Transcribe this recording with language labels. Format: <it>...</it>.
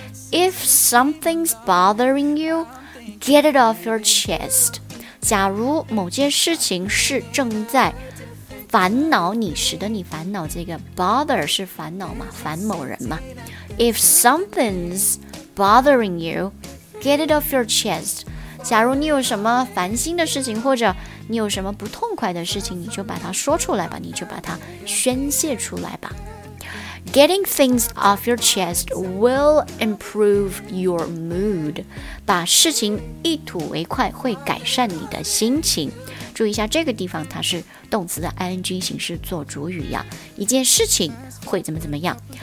<zh>If something's bothering you get it off your chest，假如某件事情是正在烦恼你，使得你烦恼，这个 bother 是烦恼嘛，烦某人嘛。</zh> <en>If something's bothering you get it off your chest，</en> <zh>假如你有什么烦心的事情，或者你有什么不痛快的事情，你就把它说出来吧，你就把它宣泄出来吧。</zh> <en>Getting things off your chest will improve your mood.</en> <zh>把事情一吐为快会改善你的心情。注意一下这个地方，它是动词的 ing 形式做主语呀。一件事情会怎么怎么样。</zh>